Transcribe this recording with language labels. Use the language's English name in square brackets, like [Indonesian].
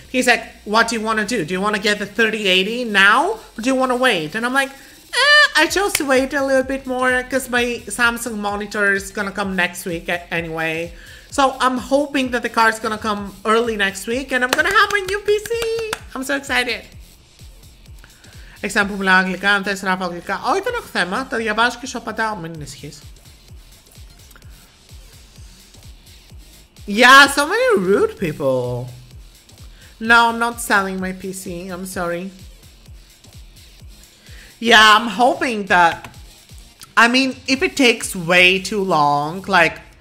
[English] He's like, what do you want to do? Do you want to get the 3080 now? Or do you want to wait? And I'm like, I chose to wait a little bit more because my Samsung monitor is going to come next week anyway. So I'm hoping that the car is going to come early next week and I'm going to have my new PC. I'm so excited. [Greek] Εξάμεινα που μιλάω αγγλικά, αν θες να πω αγγλικά. Όχι, δεν έχω θέμα. Τα διαβάζω και σου απαντάω. Μην ανησυχείς. [English] Yeah, so many rude people. No, I'm not selling my PC. I'm sorry. Yeah, I'm hoping that... I mean, if it takes way too long, like...